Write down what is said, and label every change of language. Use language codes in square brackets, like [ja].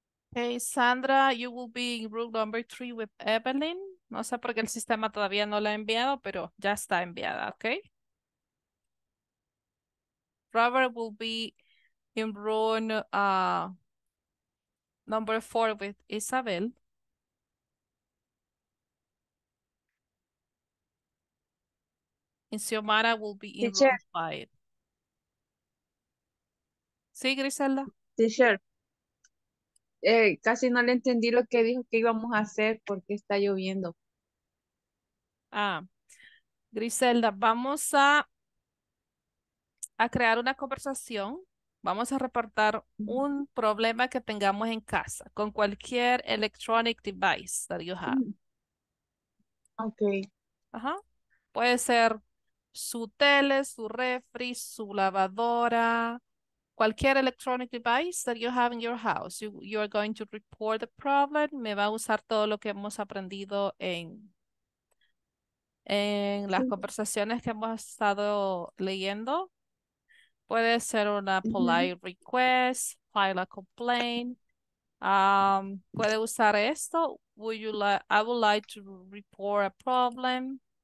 [en] Okay, Sandra, you will be in room number 3 with Evelyn. [es] No sé por qué el sistema todavía no la ha enviado, pero ya está enviada, okay? [en] Robert will be in room number 4 with Isabel. And Xiomara will be in room 5. [es] ¿Sí, Griselda? [en] Teacher. [es] Casi no le entendí lo que dijo que íbamos a hacer porque está lloviendo. Ah, Griselda, vamos a crear una conversación. Vamos a reportar un problema que tengamos en casa con cualquier [en] electronic device that you have. Ok. [es] Ajá. Puede ser su tele, su refri, su lavadora. [en] Cualquier electronic device that you have in your house, you are going to report the problem. [es] Me va a usar todo lo que hemos aprendido en las conversaciones que hemos estado leyendo. Puede ser una [en] polite request, file a complaint. [es] Puede usar esto. [en] I would like to report a problem.